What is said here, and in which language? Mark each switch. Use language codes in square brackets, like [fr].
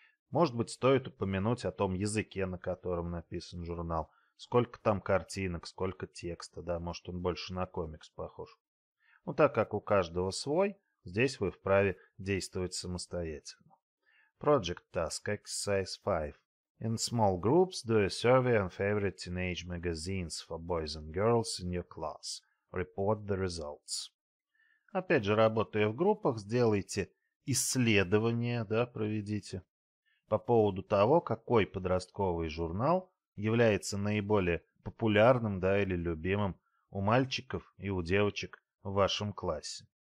[ru] Может быть, стоит упомянуть о том языке, на котором написан журнал. Сколько там картинок, сколько текста, да, может, он больше на комикс похож. Ну, так как у каждого свой, здесь вы вправе действовать самостоятельно. [en] Project task, exercise 5. In small groups, do a survey on favorite teenage magazines for boys and girls in your class. Report the results. [ru] Опять же, работая в группах, сделайте исследование, да, проведите, по поводу того, какой подростковый журнал является наиболее популярным, да, или любимым у мальчиков и у девочек в вашем классе.